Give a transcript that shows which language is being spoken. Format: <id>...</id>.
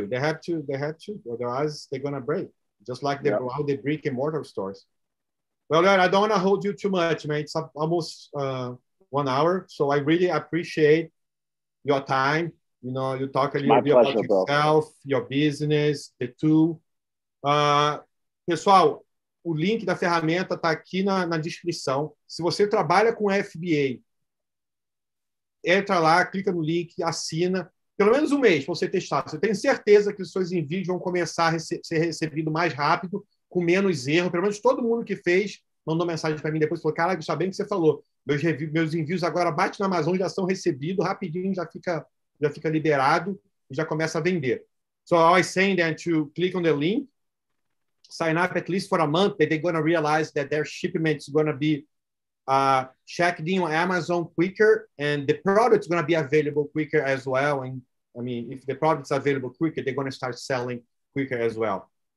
<en>They have to. Otherwise, they're going to break. Just like the, yep. all the brick and mortar stores. Well, I don't want to hold you too much, man. It's almost 1 hour. So I really appreciate your time. You know, you talk a little bit about yourself, your business, the tool.</en> <pt>Pessoal, o link da ferramenta está aqui na descrição. Se você trabalha com FBA, entra lá, clica no link, assina. Pelo menos um mês para você testar. Você tem certeza que os seus envios vão começar a ser recebido mais rápido, com menos erro. Pelo menos todo mundo que fez mandou mensagem para mim depois e falou, cara, isso é bem o que você falou. Meus envios agora batem na Amazon, já são recebidos rapidinho, já fica liberado e já começa a vender.</pt> <en>So I send them to click on the link, sign up at least for a month, that they're going to realize that their shipment is going to be checked in on Amazon quicker, and the product is going to be available quicker as well. And I mean, if the product's available quicker, they're going to start selling quicker as well.</en>